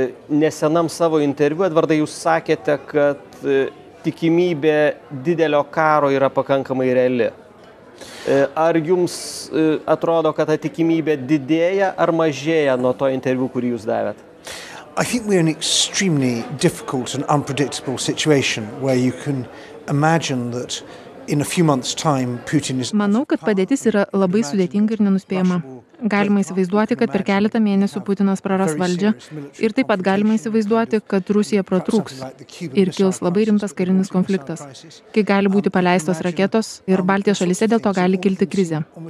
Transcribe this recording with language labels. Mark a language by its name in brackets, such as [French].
[Lithuanian] Nesenam savo interviu, Edvardai, jūs sakėte, kad tikimybė didelio karo yra pakankamai reali. Ar jums atrodo, kad ta tikimybė didėja ar mažėja nuo to interviu, kurį jūs davėt? [English] I think we're in an extremely difficult and unpredictable situation where you can imagine that in a few months time Putin is... [Lithuanian] Manau, kad padėtis yra labai sudėtinga ir nenuspėjama. Galima įsivaizduoti, kad per keletą mėnesių Putinas praras valdžią ir taip pat galima įsivaizduoti, kad Rusija pratrūks ir kils labai rimtas karinis konfliktas, kai gali būti paleistos raketos ir Baltijos šalyse dėl to gali kilti krizė.